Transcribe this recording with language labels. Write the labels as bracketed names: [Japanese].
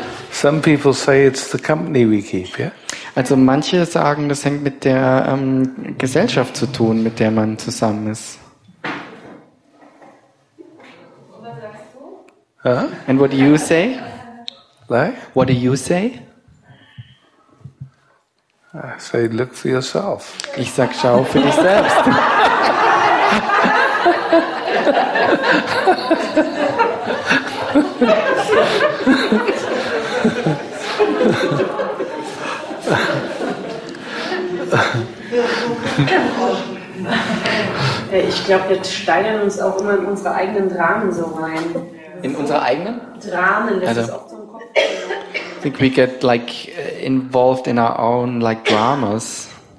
[English] Some people say it's the company we keep, yeah? [German] Also manche sagen, das hängt mit der Gesellschaft zu tun, mit der man zusammen ist. Huh? [English] And what do you say? Like? What do you say? I say, look for yourself. [German] Ich sag, schau für dich selbst. Ich glaube, wir steigern uns auch immer in unsere eigenen Dramen so rein. In unsere eigenen? Dramen, das also, ist auch so ein Kopf. [English] I think we get like involved in our own like dramas.